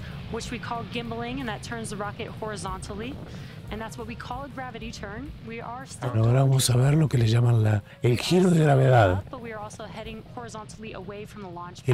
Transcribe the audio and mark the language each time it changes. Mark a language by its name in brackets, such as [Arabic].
[English] Which we call gimballing, and that turns the rocket horizontally, and that's what we call a gravity turn. We are still. [Spanish] Bueno, ahora vamos a ver lo que le llaman la el giro de gravedad. [English] But we are also heading horizontally away from the launch pad.